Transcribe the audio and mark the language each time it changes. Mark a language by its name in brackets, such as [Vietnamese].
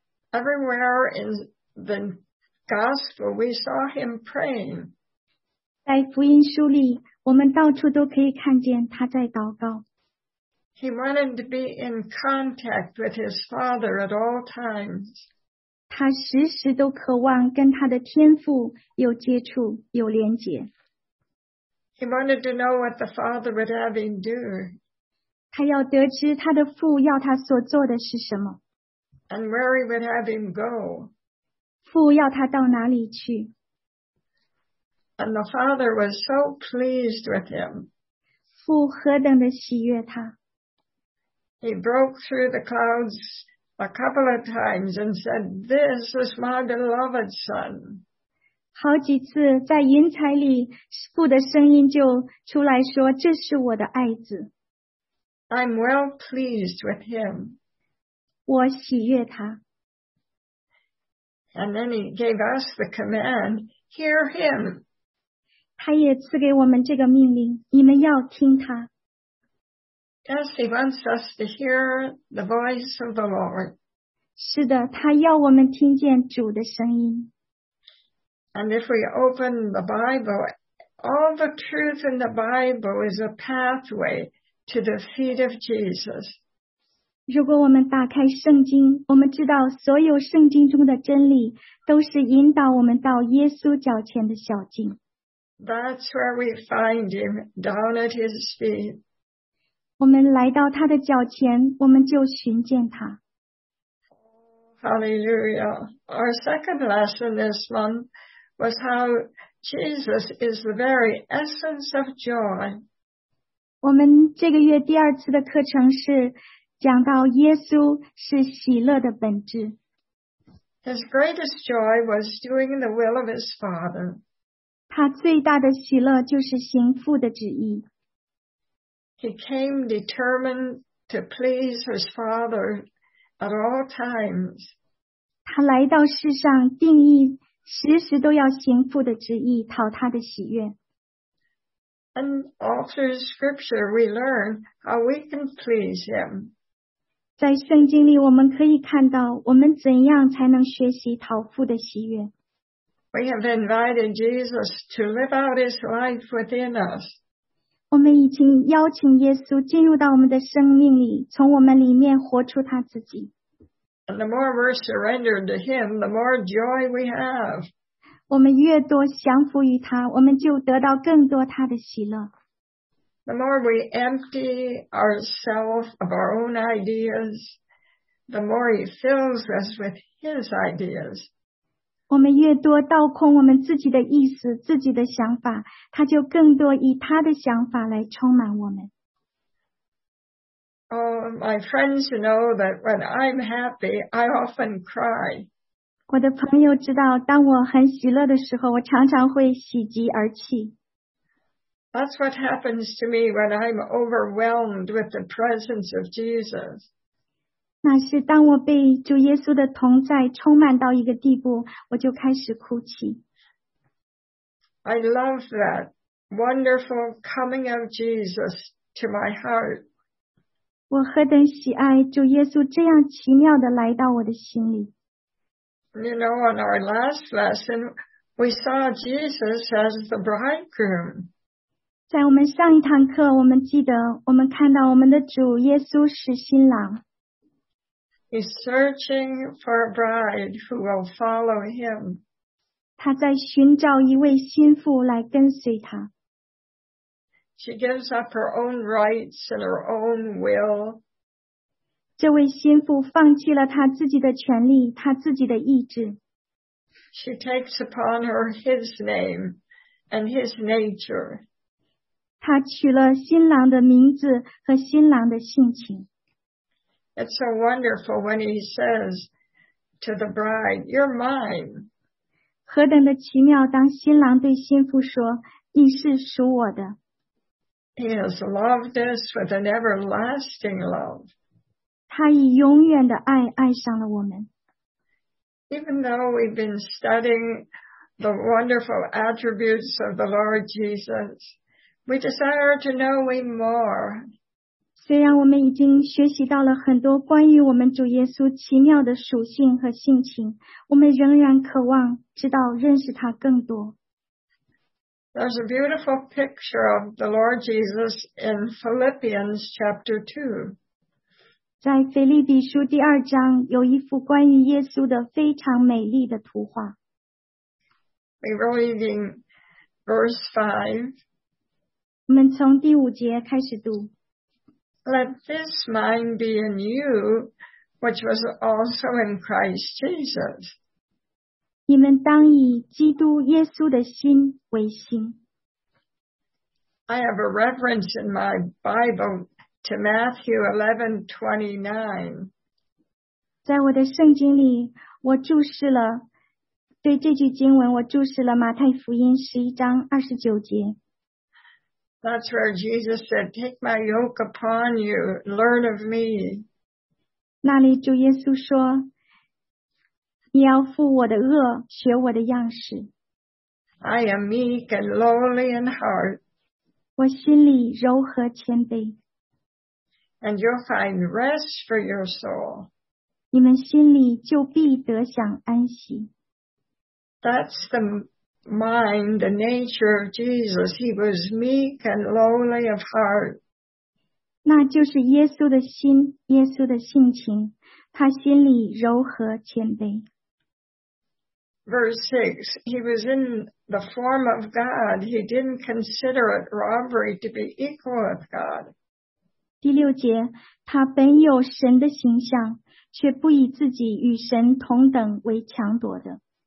[English] Everywhere in the gospel, we saw him praying. [Chinese] 在福音书里，我们到处都可以看见他在祷告。 [English] He wanted to be in contact with his Father at all times. [Chinese] 他时时都渴望跟他的天父有接触，有连结。 [English] He wanted to know what the Father would have him do. [Chinese] 他要得知他的父要他所做的是什么。 [English] And where he would have him go. [Chinese] 父要他到哪里去。 [English] And the Father was so pleased with him. [Chinese] 父何等的喜悦他。 [English] He broke through the clouds a couple of times and said, This is my beloved son. [Chinese] 好几次在云彩里，父的声音就出来说，这是我的爱子。 [English] I'm well pleased with him. [Chinese] 我喜悦他。 [English] And then he gave us the command, Hear him. [Chinese] 他也赐给我们这个命令，你们要听他。 [English] Yes, he wants us to hear the voice of the Lord. [Chinese] 是的，他要我们听见主的声音。 [English] And if we open the Bible, all the truth in the Bible is a pathway to the feet of Jesus. [Chinese] 如果我们打开圣经，我们知道所有圣经中的真理都是引导我们到耶稣脚前的小径。 [English] That's where we find him, down at his feet. [Chinese] 我们来到他的脚前，我们就寻见他。 [English] Hallelujah. Our second lesson this month was how Jesus is the very essence of joy. [Chinese] 我们这个月第二次的课程是讲到耶稣是喜乐的本质。 [English] His greatest joy was doing the will of his Father. [Chinese] 他最大的喜乐就是行父的旨意。 [English] He came determined to please his Father at all times. [Chinese] 他来到世上定义时时都要行父的旨意，讨他的喜悦。 [English] And all through scripture we learn how we can please him. [Chinese] 在圣经里我们可以看到我们怎样才能学习讨父的喜悦。 [English] We have invited Jesus to live out his life within us. [Chinese] 我们已经邀请耶稣进入到我们的生命里，从我们里面活出他自己。 [English] And the more we're surrendered to him, the more joy we have. [Chinese] 我们越多降服于他，我们就得到更多他的喜乐。 [English] The more we empty ourselves of our own ideas, the more he fills us with his ideas. [Chinese] 我们越多倒空我们自己的意思，自己的想法，他就更多以他的想法来充满我们。 [English] Oh, my friends know that when I'm happy, I often cry. [Chinese] 我的朋友知道，当我很喜乐的时候，我常常会喜极而泣。 [English] That's what happens to me when I'm overwhelmed with the presence of Jesus. [Chinese] 那是当我被主耶稣的同在充满到一个地步，我就开始哭泣。 [English] I love that wonderful coming of Jesus to my heart. [Chinese] 我何等喜爱主耶稣这样奇妙地来到我的心里。 [English] You know, on our last lesson, we saw Jesus as the bridegroom. [Chinese] 在我们上一堂课，我们记得我们看到我们的主耶稣是新郎。 [English] He's searching for a bride who will follow him. [Chinese] 他在寻找一位新妇来跟随他。 [English] She gives up her own rights and her own will. [Chinese] 这位新妇放弃了她自己的权利，她自己的意志。 [English] She takes upon her his name and his nature. [Chinese] 她取了新郎的名字和新郎的性情。 [English] It's so wonderful when he says to the bride, "You're mine." [Chinese] 何等的奇妙，当新郎对新妇说，你是属我的。 [English] He has loved us with an everlasting love. [Chinese] 他以永远的爱爱上了我们。 [English] Even though we've been studying the wonderful attributes of the Lord Jesus, we desire to know him more. [Chinese] 虽然我们已经学习到了很多关于我们主耶稣奇妙的属性和性情，我们仍然渴望知道认识他更多。 [English] There's a beautiful picture of the Lord Jesus in Philippians chapter 2. [Chinese] 在腓立比书第二章有一幅关于耶稣的非常美丽的图画。 [English] We're reading verse 5. [Chinese] 我们从第五节开始读。 [English] Let this mind be in you, which was also in Christ Jesus. [Chinese] 你们当以基督耶稣的心为心。 [English] I have a reference in my Bible to Matthew 11:29. [Chinese] 在我的圣经里，我注释了，对这句经文，我注释了马太福音11:29。 [English] That's where Jesus said, "Take my yoke upon you, learn of me." [Chinese] 那里主耶稣说，你要负我的轭，学我的样式。 [English] I am meek and lowly in heart. [Chinese] 我心里柔和谦卑。 [English] And you'll find rest for your soul. [Chinese] 你们心里就必得享安息。 [English] That's the mind, the nature of Jesus. He was meek and lowly of heart. [Chinese] 那就是耶稣的心，耶稣的性情，他心里柔和谦卑。 [English] Verse 6, he was in the form of God. He didn't consider it robbery to be equal with God. [Chinese] 第六节，他本有神的形象，却不以自己与神同等为强夺的。